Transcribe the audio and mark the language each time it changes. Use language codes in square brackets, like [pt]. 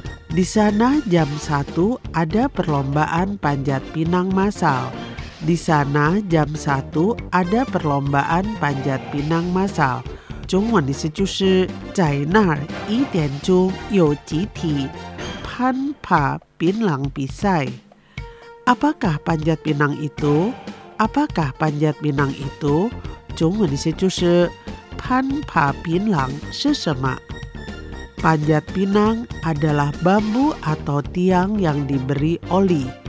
[id] Di sana jam 1 ada perlombaan panjat pinang massal. Di sana jam 1 ada perlombaan panjat pinang massal. [zh] 中文意思就是在那儿一点钟有集体攀爬槟榔比赛。 [id] Apakah panjat pinang itu? Apakah panjat pinang itu? [zh] 中文意思就是攀爬槟榔是什么？ [id] Panjat pinang adalah bambu atau tiang yang diberi oli.